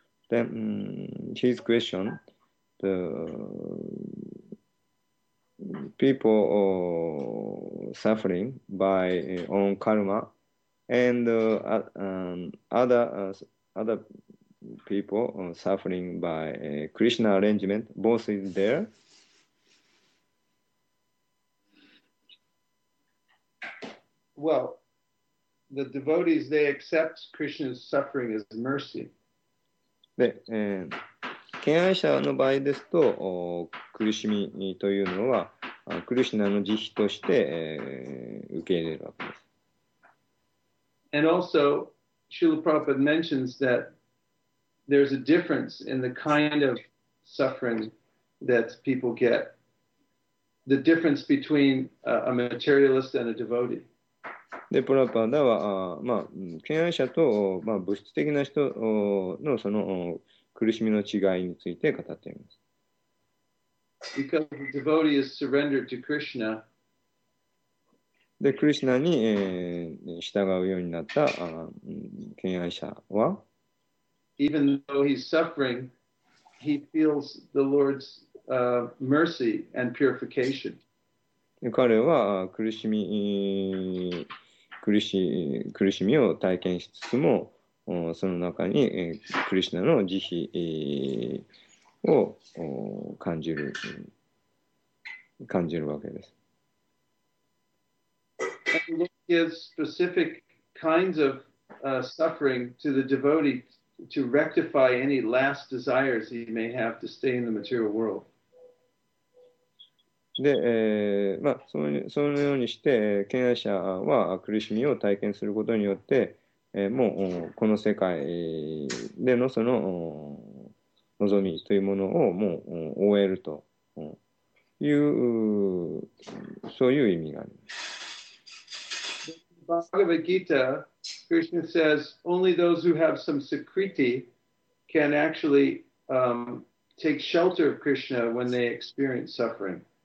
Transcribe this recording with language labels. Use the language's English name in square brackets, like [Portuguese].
[English] Then his question, the people suffering by own karma and other people suffering by Krishna arrangement, both is there? Well, the devotees, they accept Krishna's suffering as mercy. [Japanese] で、敬愛者の場合ですと、苦しみというのは、クリシナの慈悲として、受け入れるわけです。 [English] And also, Srila Prabhupada mentions that there's a difference in the kind of suffering that people get. The difference between a materialist and a devotee. [Japanese] で、プラパダは、まあ、敬愛者と、まあ、物質的な人のその苦しみの違いについて語っています。 [English] Because the devotee is surrendered to Krishna. [Japanese] で、クリシュナに、従うようになった、敬愛者は [English] Even though he's suffering, he feels the Lord's mercy and purification. [Japanese] 彼は苦しみを体験しつつも、その中に、クリシュナの慈悲、を感じるわけです。 [English] And Lord gives specific kinds of suffering to the devotee to rectify any last desires he may have to stay in the material world. [Japanese] で、まあ、そのようにして、敬愛者は苦しみを体験することによって、もうこの世界でのその望みというものをもう終えるというそういう意味があります。バーガヴァギータ [English] Krishna says only those who have some sukriti can actually take shelter of Krishna when they experience suffering.